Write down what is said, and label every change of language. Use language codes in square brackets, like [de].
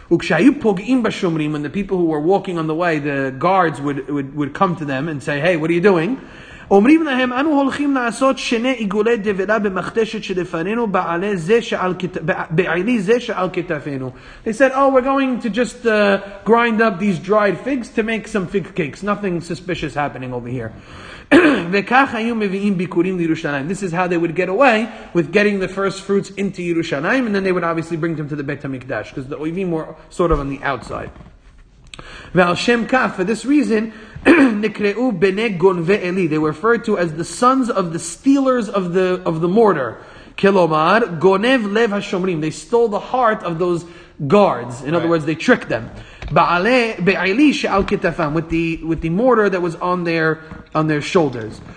[en] When the people who were walking on the way, the guards would come to them and say, hey, what are you doing? [he] אומרים להם אנו הולכים לעשות שני עיגולי דבלה במחדשת שלפנינו בעלי זה שעל כתפנו. [en] They said, oh, we're going to just grind up these dried figs to make some fig cakes. Nothing suspicious happening over here. [he] וכך היו מביאים ביקורים לירושלים. [en] This is how they would get away with getting the first fruits into Yerushalayim, and then they would obviously bring them to the Beit HaMikdash, because the Oivim were sort of on the outside. [he] ועל שם כך, [en] for this reason, [he] נקראו בני גונבי אלי. [en] They were referred to as the sons of the stealers of the mortar. [he] כלומר, גונב לב השומרים. [en] They stole the heart of those guards. In other words, they tricked them. [he] בעלי שעל כתפם, [en] with the mortar that was on their shoulders.